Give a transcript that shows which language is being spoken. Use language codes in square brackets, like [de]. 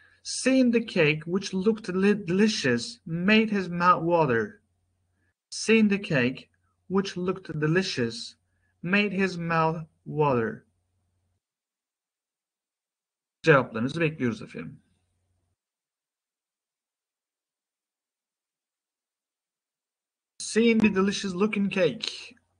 [en] Seeing the cake, which looked delicious, made his mouth water. Seeing the cake, which looked delicious, made his mouth water. [tr] Cevaplarınızı bekliyoruz efendim. [en] Seeing the delicious looking cake.